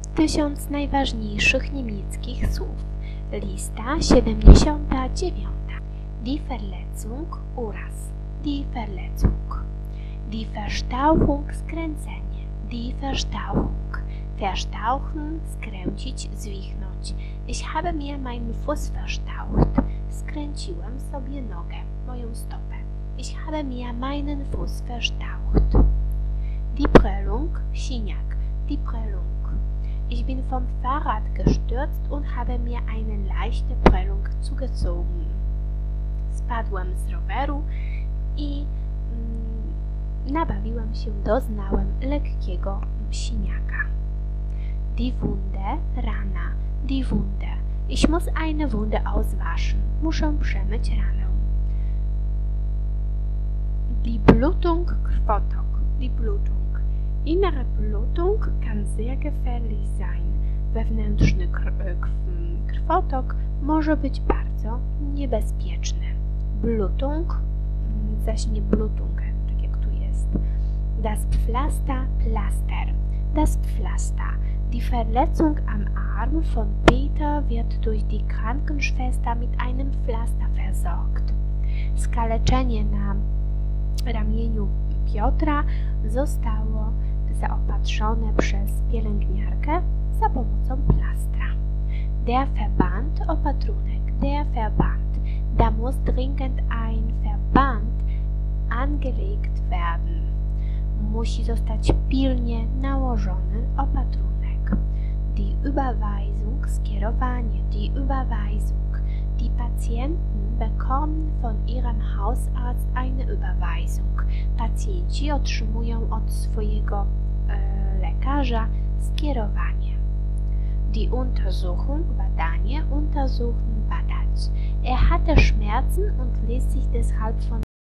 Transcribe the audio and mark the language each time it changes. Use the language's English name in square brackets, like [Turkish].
[Polish] 1000 najważniejszych niemieckich słów. [German] Lista 79. Die Verletzung, Uraz. Die Verletzung. Die Verstauchung, skręcenie. Die Verstauchung. [Polish] Verstauchen, skręcić, zwichnąć. [German] Ich habe mir meinen Fuß verstaucht. [Polish] Skręciłem sobie nogę, moją stopę. [German] Ich habe mir meinen Fuß verstaucht. Die Prellung, siniak. Die Prellung. Ich bin vom Fahrrad gestürzt und habe mir eine leichte Prellung zugezogen. [Polish] Spadłem z roweru i nabawiłem się, doznałem lekkiego siniaka. [German] Die Wunde, rana. Die Wunde. Ich muss eine Wunde auswaschen. [Polish] Muszę przemyć ranę. [German] Die Blutung, krwotok. Die Blutung. Innere Blutung kann sehr gefährlich sein. [Polish] Wewnętrzny krwotok może być bardzo niebezpieczny. Blutung, zaś nie Blutung, tak jak tu jest. [German] Das Pflaster, Plaster. Das Pflaster. Die Verletzung am Arm von Peter wird durch die Krankenschwester mit einem Pflaster versorgt. [Polish] Skaleczenie na ramieniu Piotra zostało zaopatrzone przez pielęgniarkę za pomocą plastra. [German] Der Verband, opatrunek. Der Verband. Da muss dringend ein Verband angelegt werden. [Polish] Musi zostać pilnie nałożony opatrunek. [German] Die Überweisung, skierowanie. Die Überweisung. Die Patienten bekommen von ihrem Hausarzt eine Überweisung. [Polish] Pacjenci otrzymują od swojego lekarza skierowanie. [German] Die Untersuchung, badanie, untersuchen, badać. Er hatte Schmerzen und ließ sich deshalb von